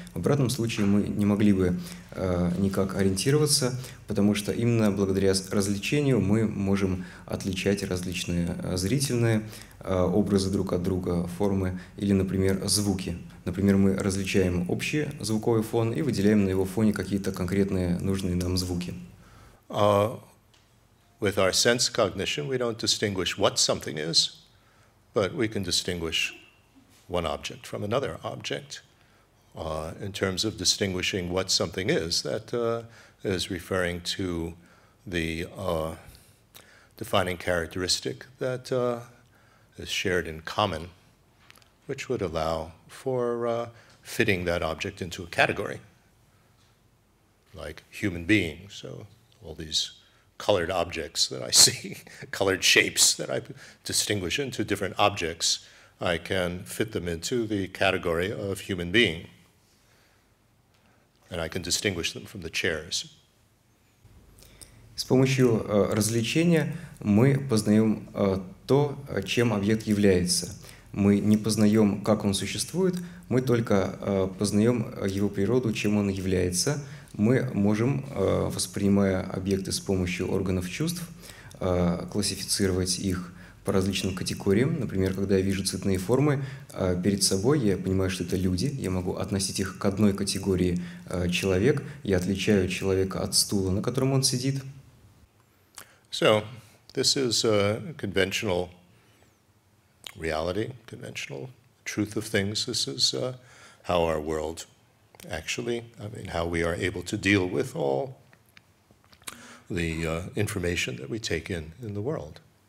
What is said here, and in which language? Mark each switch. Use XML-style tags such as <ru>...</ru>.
<ru>В обратном случае мы не могли бы никак ориентироваться, потому что именно благодаря развлечению мы можем отличать различные зрительные образы друг от друга, формы или, например, звуки. Например, мы различаем общий звуковой фон и выделяем на его фоне какие-то конкретные нужные нам звуки.</ru> <en>With our sense cognition, we don't distinguish what something is, but we can distinguish one object from another object. In terms of distinguishing what something is, that is referring to the defining characteristic that is shared in common, which would allow for fitting that object into a category, like human being. So all these colored objects that I see, colored shapes that I distinguish into different objects, I can fit them into the category of human being. And I can distinguish them from the chairs.</en> <ru>С помощью развлечения мы познаем то, чем объект является. Мы не познаем, как он существует, мы только познаем его природу, чем он является. Мы можем, воспринимая объекты с помощью органов чувств, классифицировать их по различным категориям. Например, когда я вижу цветные формы перед собой, я понимаю, что это люди, я могу относить их к одной категории человек, я отличаю человека от стула, на котором он сидит.</ru> <en>So, this is a conventional reality, conventional truth of things. This is how our world actually, I mean, how we are able to deal with all the information that we take in the world.</en>